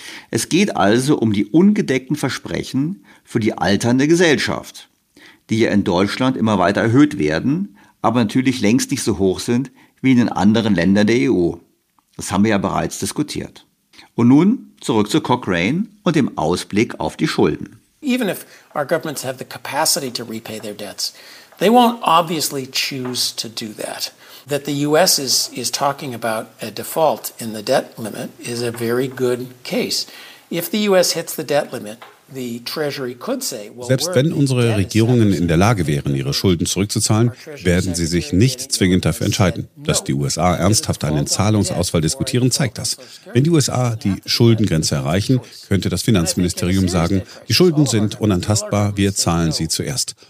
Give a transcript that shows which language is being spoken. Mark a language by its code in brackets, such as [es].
[de] Es geht also um die ungedeckten Versprechen für die alternde Gesellschaft, die ja in Deutschland immer weiter erhöht werden, aber natürlich längst nicht so hoch sind wie in den anderen Ländern der EU. Das haben wir ja bereits diskutiert. Und nun zurück zu Cochrane und dem Ausblick auf die Schulden. [en] Even if our governments have the capacity to repay their debts, they won't obviously choose to do that. That the US is talking about a default in the debt limit is a very good case. If the US hits the debt limit, [de] selbst wenn unsere Regierungen in der Lage wären, ihre Schulden zurückzuzahlen, werden sie sich nicht zwingend dafür entscheiden. Dass die USA ernsthaft einen Zahlungsausfall diskutieren, zeigt das. Wenn die USA die Schuldengrenze erreichen, könnte das Finanzministerium sagen, die Schulden sind unantastbar, wir zahlen sie zuerst.